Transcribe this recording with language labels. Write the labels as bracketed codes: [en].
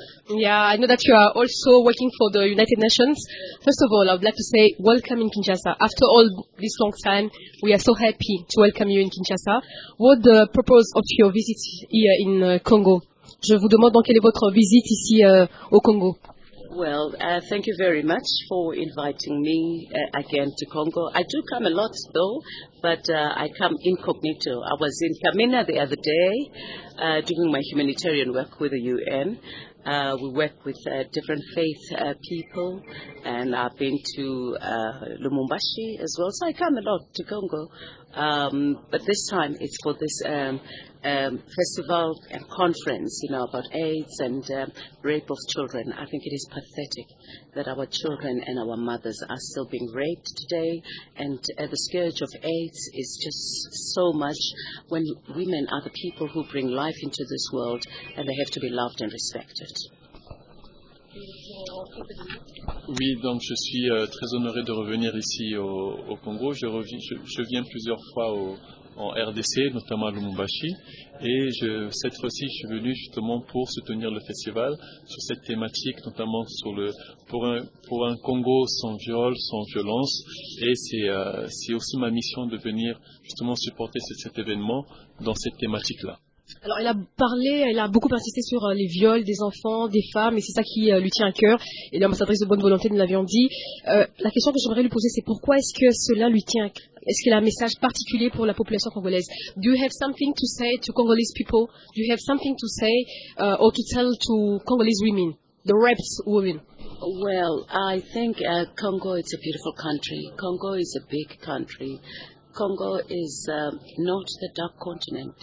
[en] Yeah, I know that you are also working for the United Nations. First of all, I would like to say welcome in Kinshasa. After all this long time, we are so happy to welcome you in Kinshasa. What the purpose of your visit here in Congo? [fr] Je vous demande donc quelle est votre visite ici au Congo. [en] Well, thank you very much for inviting me again to Congo. I do come a lot, though, but I come incognito. I was in Kamina the other day doing my humanitarian work with the UN. We work with different faith people, and I've been to Lumumbashi as well. So I come a lot to Congo, but this time it's for this festival and conference, you know, about AIDS and rape of children. I think it is pathetic that our children and our mothers are still being raped today, and the scourge of AIDS is just so much when women are the people who bring life into this world and they have to be loved and respected. [fr] Oui, donc je suis très honoré de revenir ici au Congo. Je viens plusieurs fois en RDC, notamment à Lumumbashi, et cette fois-ci, je suis venu justement pour soutenir le festival sur cette thématique, notamment pour un Congo sans viol, sans violence, et c'est aussi ma mission de venir justement supporter cet événement dans cette thématique-là. Alors, elle a beaucoup insisté sur les viols des enfants, des femmes, et c'est ça qui lui tient à cœur. Et l'ambassadrice de bonne volonté, nous l'avions dit. La question que j'aimerais lui poser, c'est pourquoi est-ce que cela lui tient à cœur? Est-ce qu'il a un message particulier pour la population congolaise? [en] Do you have something to say to Congolese people? Do you have something to say or to tell to Congolese women, the raped women? Well, I think Congo is a beautiful country. Congo is a big country. Congo is not the dark continent.